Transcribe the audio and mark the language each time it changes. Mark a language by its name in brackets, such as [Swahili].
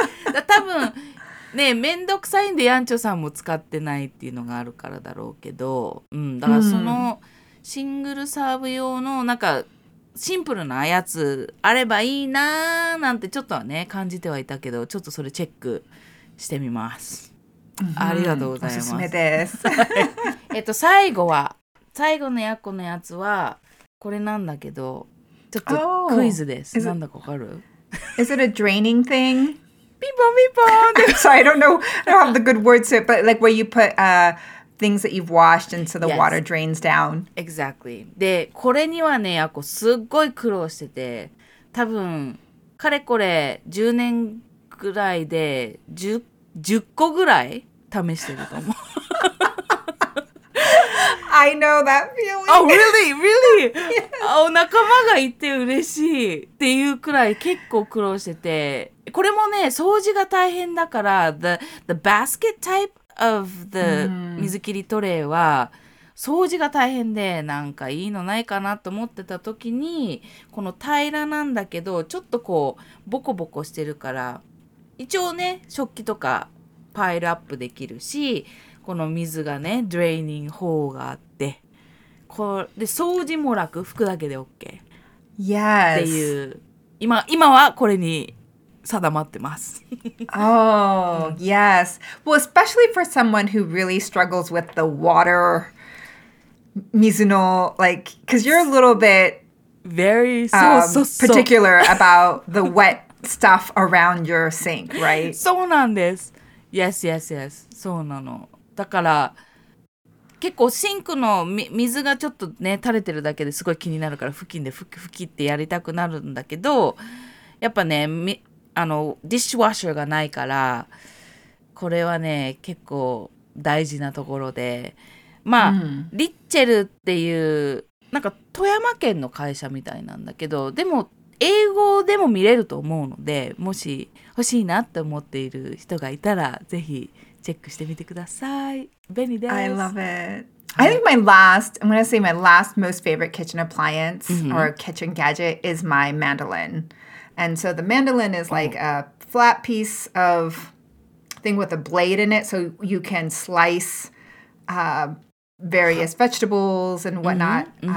[Japanese] だ多分ね、めんどくさいんでヤンチョさんも使ってないっていうのがあるからだろうけど、だからそのシングルサーブ用のなんかシンプルなやつあればいいなーなんてちょっとはね感じてはいたけど、ちょっとそれチェックしてみます。ありがとうございます。おすすめです。最後のヤッコのやつは。これなんだけど、ちょっとクイズです。なんだかわかる？ [English] Is it a draining thing? bing bong bing bong. So I don't know, I don't have the good words to it, but like where you put things that you've washed and so the water drains down. Exactly. [Japanese] で、これにはね、あこすっごい苦労してて、多分かれこれ10年ぐらいで 10個ぐらい試してると思う。 [English] I know that feeling. Oh, really? Really? [Japanese] お仲間がいて嬉しいっていうくらい結構苦労してて、これもね、掃除が大変だから、 [English] the basket type of the [Japanese] 水切りトレーは掃除が大変で、なんかいいのないかなと思ってた時に、この平らなんだけど、ちょっとこう、ボコボコしてるから、一応ね、食器とかパイルアップできるし、この水がね、ドレーニングホールがあって、で掃除も楽、拭くだけで OK。 [English] Yes. [Japanese] っていう、今はこれに定まってます。 [English] Oh, yes. Well, especially for someone who really struggles with the water, [Japanese] 水の、 [English] like, because you're a little bit very particular about the wet stuff around your sink, right? [Japanese] そうなんです。 [English] Yes, yes, yes. [Japanese] そうなの。だから結構シンクの水がちょっとね垂れてるだけですごい気になるから布巾で拭きってやりたくなるんだけど、やっぱね、あのディッシュワッシャーがないから、これはね結構大事なところで、まあ、リッチェルっていうなんか富山県の会社みたいなんだけど、でも英語でも見れると思うので、もし欲しいなって思っている人がいたらぜひチェックしてみてください。便利です。 [English] I love it. I think my last, I'm going to say my last most favorite kitchen appliance or kitchen gadget is my mandolin. And so the mandolin is like a flat piece of thing with a blade in it, so you can slice various vegetables and whatnot.